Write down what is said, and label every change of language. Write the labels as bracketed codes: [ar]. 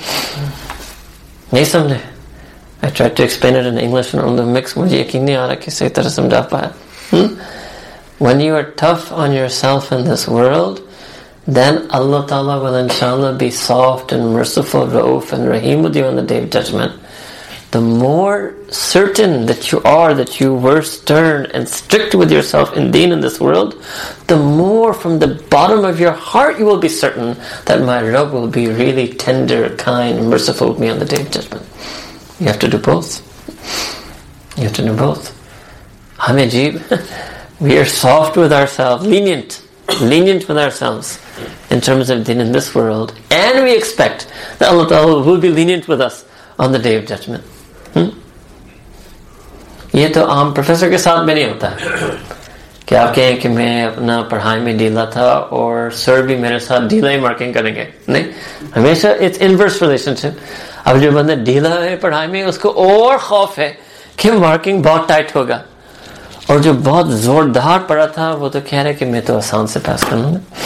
[hi] नहीं समझे? [en] I try to explain it in English and on the mix, [hi] मुझे यकीन नहीं आ रहा कि सही तरह समझा पाया. [en] When you are tough on yourself in this world, then Allah Taala will इंशाल्लाह be soft and merciful Rauf and Rahim with you on the day of judgement. The more certain that you are that you were stern and strict with yourself in दीन in this world, the more from the bottom of your heart you will be certain that my Rabb will be really tender, kind, merciful with me on the day of judgment. You have to do both. You have to do both. [hi] Hame ajeeb. [en] We are soft with ourselves, lenient. Lenient with ourselves in terms of din in this world. And we expect that Allah Ta'ala will be lenient with us on the day of judgment. [hi] Yeh toh aam professor ke saath bhi nahi hota hai. कि आप कहें कि मैं अपना पढ़ाई में ढीला था और सर भी मेरे साथ ढीला ही मार्किंग करेंगे. नहीं, हमेशा [en] It's inverse relationship. [hi] अब जो बंदा ढीला है पढ़ाई में, उसको और खौफ है कि मार्किंग बहुत टाइट होगा, और जो बहुत जोरदार पढ़ा था वो तो कह रहे कि मैं तो आसान से पास कर लूंगा.